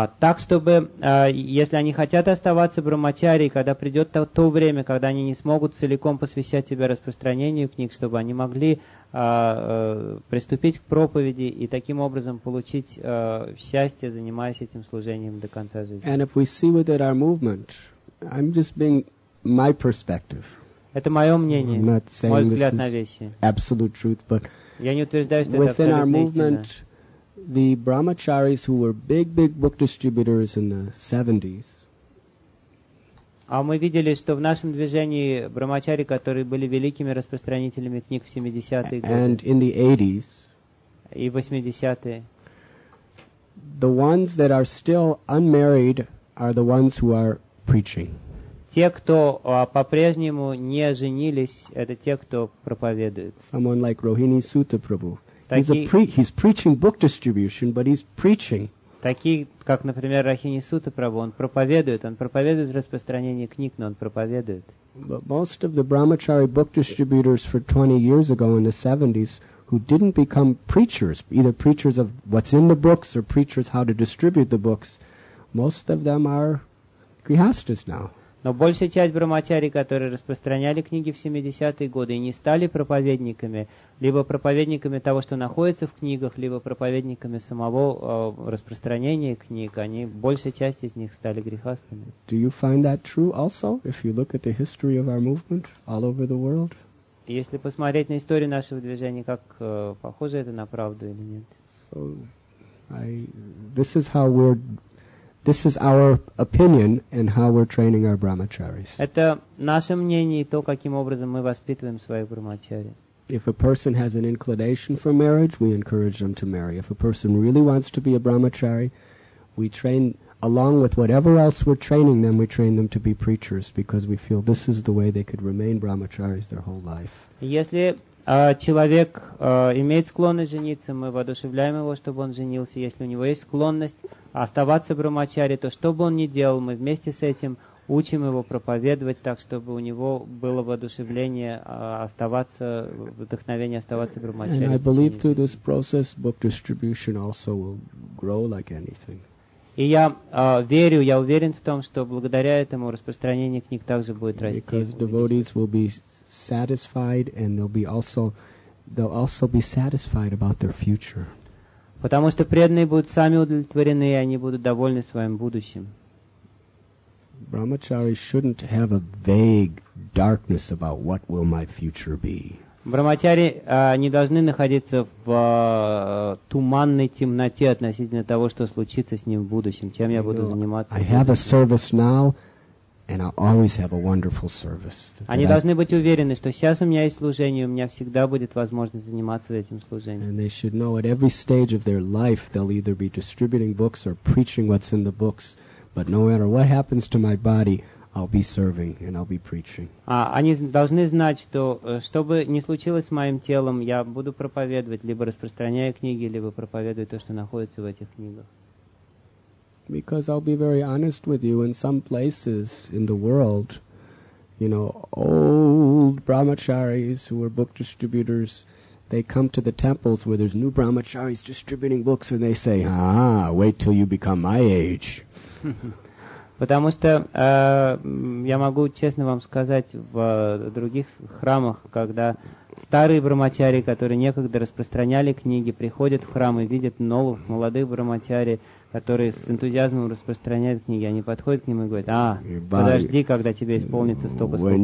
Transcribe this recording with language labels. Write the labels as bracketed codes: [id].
[ru] Так, чтобы, если они хотят оставаться брахмачари, когда придет то время, когда они не смогут целиком посвящать себя распространению книг, чтобы они могли приступить к проповеди и таким образом получить счастье, занимаясь этим служением до конца жизни. [en] And if we see with it our movement, I'm just being my perspective. [ru] Это мое мнение, мой взгляд на вещи. [en] Absolute truth, but [ru] я не утверждаю, что [en] within [ru] это [en] our movement, [ru] истина. [en] The brahmacharis who were big book distributors in the 70s. [ru] А мы видели, что в нашем движении брахмачари, которые были великими распространителями книг в 70-е годы. [en] And in the 80s. [ru] И 80-е. [en] The ones that are still unmarried are the ones who are preaching. [ru] Те, кто по-прежнему не женились, это те, кто проповедует. [en] Someone like Rohini Sutta Prabhu. He's preaching book distribution, but he's preaching. [ru] Такие, как, например, Рохини Сутта Прабху, он проповедует распространение книг, но он проповедует. [en] But most of the brahmachari book distributors for 20 years ago in the 70s who didn't become preachers, either preachers of what's in the books or preachers how to distribute the books, most of them are grihasthas now. [ru] Но большая часть брахмачари, которые распространяли книги в 70-е годы и не стали проповедниками, либо проповедниками того, что находится в книгах, либо проповедниками самого распространения книг, они, большая часть из них, стали грехастами. [en] Do you find that true also, if you look at the history of our movement all over the world? [ru] Если посмотреть на историю нашего движения, как похоже это на правду или нет? [en] So, this is how we're... This is our opinion and how we're training our brahmacharis. [ru] Это наше мнение и то, каким образом мы воспитываем своих брахмачари. [en] If a person has an inclination for marriage, we encourage them to marry. If a person really wants to be a brahmachari, we train along with whatever else we're training them, we train them to be preachers because we feel this is the way they could remain brahmacharis their whole life. [ru] Если человек имеет склонность жениться, мы воодушевляем его, чтобы он женился. Если у него есть склонность оставаться брахмачари, то что бы он ни делал, мы вместе с этим учим его проповедовать так, чтобы у него было воодушевление оставаться, вдохновение оставаться брахмачари. [en] And I believe through this process, book distribution also will grow like anything. [ru] И я верю, я уверен в том, что благодаря этому распространение книг также будет расти. [en] Because devotees will be satisfied and they'll also be satisfied about their future. [ru] Потому что преданные будут сами удовлетворены, и они будут довольны своим будущим. [en] Brahmachari shouldn't have a vague darkness about what will my future be. [ru] Брахмачари не должны находиться в туманной темноте относительно того, что случится с ним в будущем, чем я буду заниматься. [en] I have a service now, and I always have a wonderful service. [ru] Они должны быть уверены, что сейчас у меня есть служение, у меня всегда будет возможность заниматься этим служением. [en] And they should know at every stage of their life they'll either be distributing books or preaching what's in the books, but no matter what happens to my body, I'll be serving and I'll be preaching. [ru] Они должны знать, что что бы ни случилось с моим телом, я буду проповедовать, либо распространяя книги, либо проповедуя то, что находится в этих книгах. [en] Because I'll be very honest with you, in some places in the world, you know, old brahmacharis who are book distributors, they come to the temples where there's new brahmacharis distributing books and they say, ah, wait till you become my age. [ru] Потому что я могу честно вам сказать, в других храмах, когда старые брахмачари, которые некогда распространяли книги, приходят в храм и видят новых, молодых брахмачари, которые с энтузиазмом распространяют книги, они подходят к ним и говорят, а, подожди, когда тебе исполнится столько,